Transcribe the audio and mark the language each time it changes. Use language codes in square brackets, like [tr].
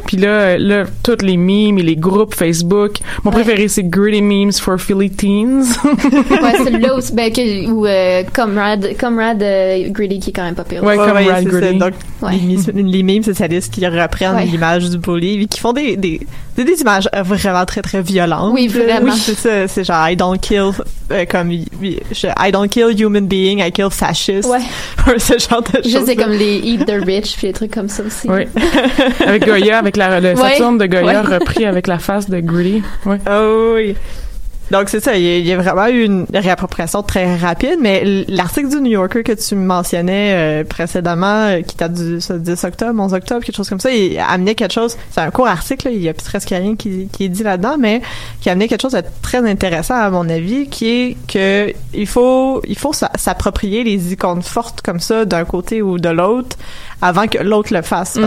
[fr] Puis là, toutes les memes et les groupes Facebook. Mon préféré, c'est Gritty Memes for Philly Teens. Ouais, celui-là aussi. Ben, Comrade Gritty, qui est quand même pas pire. Ouais, Comrade Gritty. C'est donc, les memes socialistes qui reprennent l'image du bully et qui font des images vraiment très, très violentes. Oui, vraiment. Oui, c'est genre, [en] I don't kill, I don't kill human being, I kill fascists. [fr] Ouais. Ce genre de choses. Je sais, comme les Eat the Rich, puis des trucs comme ça aussi. Oui. Avec Goya, avec le Saturne de Goya repris avec la face de Gritty. Oui. Oh oui. Donc c'est ça, il y a vraiment eu une réappropriation très rapide, mais l'article du New Yorker que tu mentionnais précédemment, qui date du 10 octobre, 11 octobre, quelque chose comme ça, il amenait quelque chose, c'est un court article, là, il y a presque rien qui est dit là-dedans, mais qui amenait quelque chose de très intéressant à mon avis, qui est que il faut s'approprier les icônes fortes comme ça d'un côté ou de l'autre avant que l'autre le fasse.